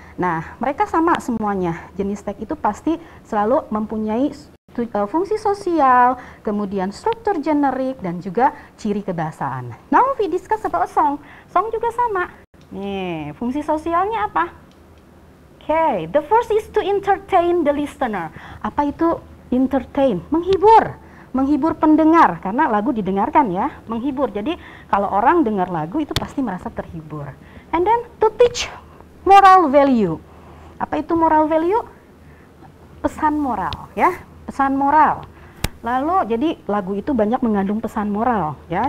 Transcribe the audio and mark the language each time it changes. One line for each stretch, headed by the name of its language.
Indonesian: Nah, mereka sama semuanya. Jenis tag itu pasti selalu mempunyai fungsi sosial, kemudian struktur generik dan juga ciri kebahasaan.
English: Now we discuss about song.
Indonesian: Song juga sama. Nih, fungsi sosialnya apa?
English: Okay, the first is to entertain the listener.
Indonesian: Apa itu entertain? Menghibur. Menghibur pendengar, karena lagu didengarkan ya. Menghibur, jadi kalau orang dengar lagu itu pasti merasa terhibur.
English: And then to teach moral value. Apa itu moral value?
Indonesian: Pesan moral ya, pesan moral. Lalu jadi lagu itu banyak mengandung pesan moral ya.